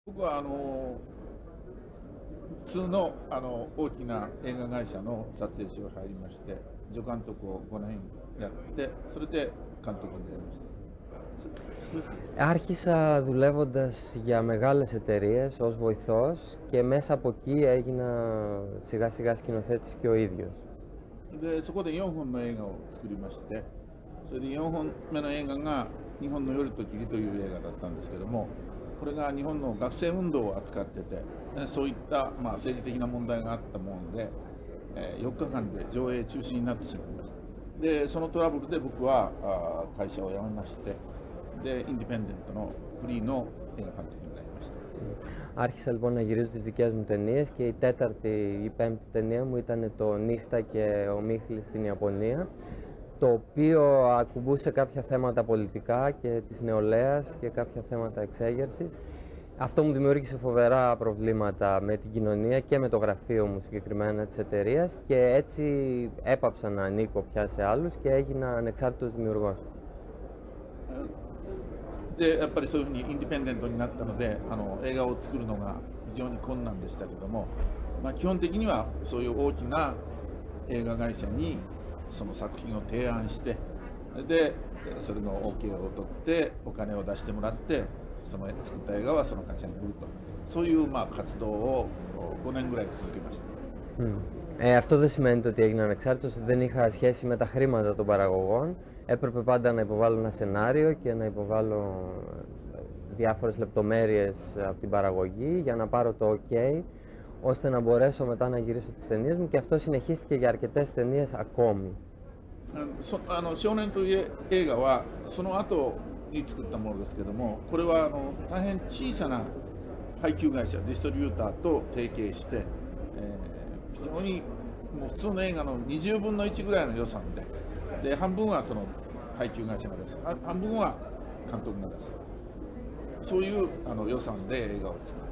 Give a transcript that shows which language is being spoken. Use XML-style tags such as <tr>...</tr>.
<ja>僕は普通の、大きな映画会社の撮影所に入りまして、助監督を5年やって、それで監督になりました。</ja> <el>Άρχισα δουλεύοντας για μεγάλες εταιρείες ως βοηθός και μέσα από εκεί έγινα σιγά σιγά σκηνοθέτης και ο ίδιος.</el> <ja>で、そこで4本の映画を作りまして、それで4本目の映画が「日本の夜と霧」という映画だったんですけども、これが日本の学生運動を扱ってて、そういった、政治的な問題があったもので、4日間で上映中止になってしまいました。で、そのトラブルで僕は会社を辞めまして、で、インディペンデントのフリーの映画監督になりました。</ja> <el>Άρχισα λοιπόν να γυρίζω τις δικές μου ταινίες και η τέταρτη ή πέμπτη ταινία μου ήταν το «Νύχτα και ο Μίχλης στην Ιαπωνία», το οποίο ακουμπούσε κάποια θέματα πολιτικά και της νεολαίας και κάποια θέματα εξέγερσης. Αυτό μου δημιούργησε φοβερά προβλήματα με την κοινωνία και με το γραφείο μου συγκεκριμένα της εταιρείας, και έτσι έπαψα να ανήκω πια σε άλλους και έγινα ανεξάρτητος δημιουργός.</el> <ja>で、やっぱりそういうふうにインディペンデントになったので、映画を作るのが非常に困難でしたけども、基本的にはそういう大きな映画会社にその作品を提案して、でそれの OK を取ってお金を出してもらって、その作った映画はその会社に売ると、そういう活動を5年ぐらい続けました。</ja> <el>Αυτό δεν σημαίνει ότι έγινα ανεξάρτητος. Δεν είχα σχέση με τα χρήματα των παραγωγών. Έπρεπε πάντα να υποβάλω ένα σενάριο και να υποβάλω διάφορες λεπτομέρειες από την παραγωγή για να πάρω το OK, ώστε να μπορέσω μετά να γυρίσω τις ταινίες μου, και αυτό συνεχίστηκε για αρκετές ταινίες ακόμη.</el> <ja>少年という映画はその後に作ったものですけども、これは大変小さな配給会社ディストリューターと提携して、非常にもう普通の映画の20分の1ぐらいの予算で、で半分はその配給会社がです、半分は監督がです、そういう予算で映画を作る。</ja>